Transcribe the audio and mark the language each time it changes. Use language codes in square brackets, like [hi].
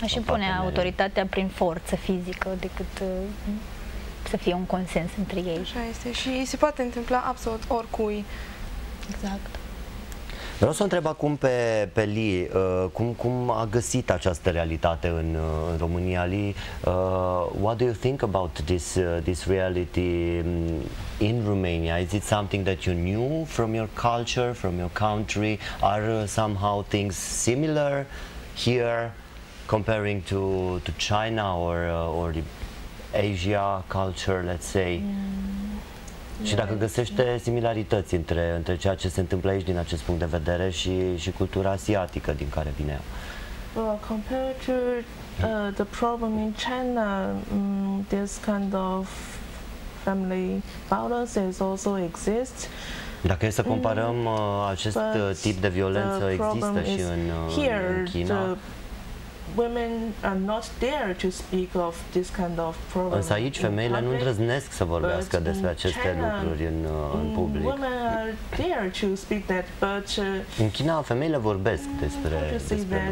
[ro] Aș pune autoritatea prin forță fizică decât să fie un consens între ei. Așa este și se poate întâmpla absolut oricui. Exact. Vreau să o întreb acum pe Li, cum a găsit această realitate în România, Li? [en] What do you think about this reality in Romania? Is it something that you knew from your culture, from your country? Are somehow things similar here comparing to China or the Asia culture, let's say? [ro] Și dacă găsește similarități între ceea ce se întâmplă aici din acest punct de vedere și cultura asiatică din care vine ea. [en] Well, compared to the problem in China, this kind of family violences also exist. [ro] Dacă e să comparăm acest tip de violență există și în China. [en] Women are not there to speak of this kind of problem. [ro] Însă aici femeile nu îndrăznesc să vorbească despre aceste lucruri în public. [en] Women are there to speak that, but [ro] în China femeile vorbesc despre lucrul